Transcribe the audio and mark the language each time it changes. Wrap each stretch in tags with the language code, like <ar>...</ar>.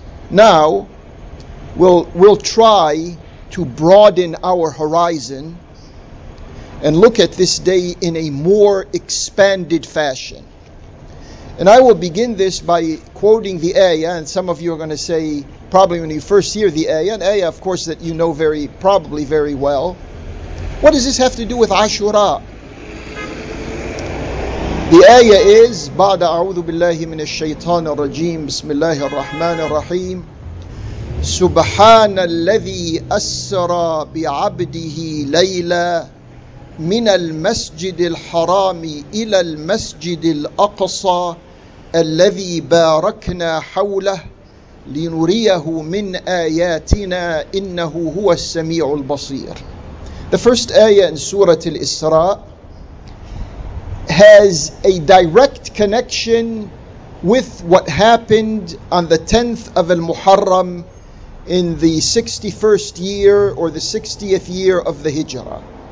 <en>Now, we'll try to broaden our horizon and look at this day in a more expanded fashion. And I will begin this by quoting the ayah, and some of you are going to say, probably when you first hear the ayah, an ayah of course that you know probably very well. What does this have to do with Ashura? The ayah is,</en> <ar>بعد أعوذ بالله من الشيطان الرجيم بسم الله الرحمن الرحيم سبحان الذي أسرى بعبده ليلا من المسجد الحرام إلى المسجد الأقصى الذي باركنا حوله لنريه من آياتنا إنه هو السميع البصير.</ar> <en>The first ayah in Surah Al-Isra has a direct connection with what happened on the 10th of Al-Muharram in the 61st year or the 60th year of the Hijrah.</en>